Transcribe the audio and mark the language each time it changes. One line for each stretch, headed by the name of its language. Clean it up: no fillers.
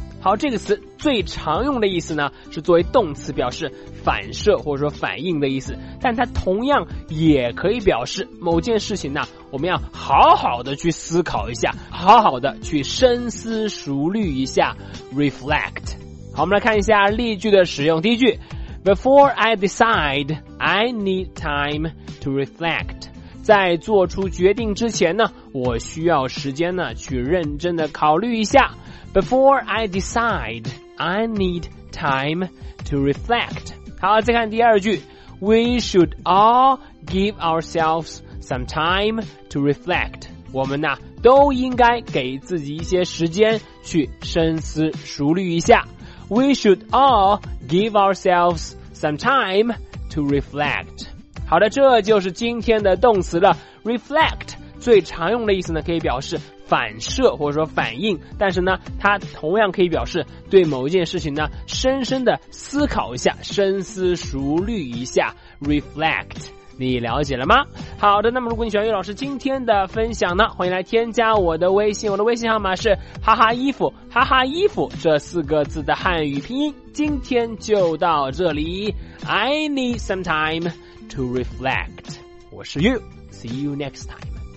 Chinese: 好，这个词最常用的意思呢是作为动词，表示反射或者说反应的意思，但它同样也可以表示某件事情呢我们要好好的去思考一下，好好的去深思熟虑一下 Reflect。好，我们来看一下例句的使用。第一句，
English: Before I decide, I need time to reflect.
Chinese: 在做出决定之前呢，我需要时间呢去认真的考虑一下。
English: Before I decide, I need time to reflect.
Chinese: 好，再看第二句，
English: We should all give ourselves some time to reflect.
Chinese: 我们呢都应该给自己一些时间去深思熟虑一下。
English: We should all give ourselves some time to reflect.
Chinese: 好的，这就是今天的动词了。Reflect 最常用的意思呢，可以表示反射或者说反应，但是呢，它同样可以表示对某一件事情呢，深深的思考一下，深思熟虑一下。 Reflect。 你了解了吗？好的，那么如果你喜欢岳老师今天的分享呢，欢迎来添加我的微信，我的微信号码是哈哈衣服，哈哈衣服这四个字的汉语拼音。今天就到这里，
English: I need some time to reflect.
Chinese: 我是
English: You, see you next time.